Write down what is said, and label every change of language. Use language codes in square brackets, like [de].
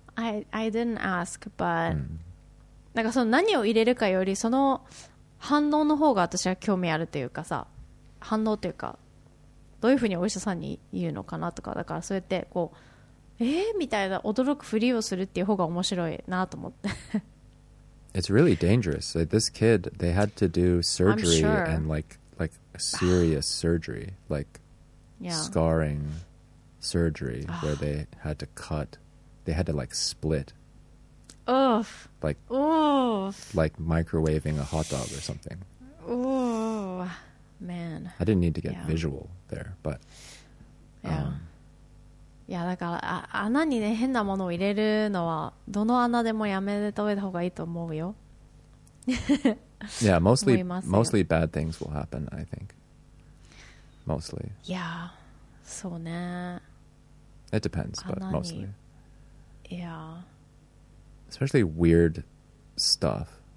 [en] I didn't ask, but、 [ja] なんかその何を入れるかよりその反応の方が私は興味あるというかさ、反応というかどういうふうにお医者さんに言うのかなとか、だからそうやってこうみたいな驚くふりをするっていう方が面白いなと思って。 [en] It's really dangerous. Like this kid, they had to do surgery and like serious surgery, like scarring surgery where they had to cut, they had to like split. Oof. Like, oof. Like microwaving a hot dog or something. Ooh, man. I didn't need to get visual there, but. Yeah. [ja] いやだから穴にね変なものを入れるのはどの穴でもやめておいた方がいいと思うよ。 [en] Yeah, mostly bad things will happen, I think. Mostly. [ja] Yeah, そうね。 [en] It depends, but mostly. Yeah. Especially weird stuff.